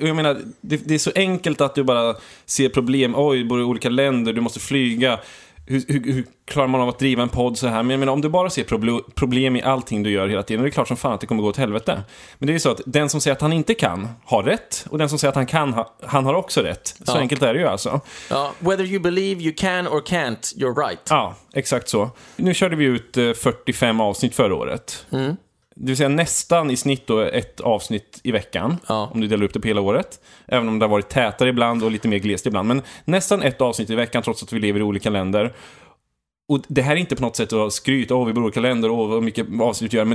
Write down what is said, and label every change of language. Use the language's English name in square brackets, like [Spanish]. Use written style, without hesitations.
[Swedish] Jag menar, det är så enkelt att du bara ser problem. Oj, du bor i olika länder, du måste flyga. Hur klarar man av att driva en podd så här? Men jag menar, om du bara ser problem i allting du gör hela tiden, är det klart som fan att det kommer gå åt helvete. Men det är ju så att den som säger att han inte kan har rätt, och den som säger att han kan han har också rätt. Så ja. Enkelt är det ju alltså. Ja. [English] Whether you believe you can or can't, you're right. [Swedish] Ja, exakt så. Nu körde vi ut 45 avsnitt förra året. Mm. Det vill säga nästan i snitt då ett avsnitt i veckan, ja. Om du delar upp det på hela året. Även om det har varit tätare ibland och lite mer glest ibland. Men nästan ett avsnitt i veckan, trots att vi lever i olika länder. Och det här är inte på något sätt att skryta, vi bor i olika länder och hur mycket avsnitt gör.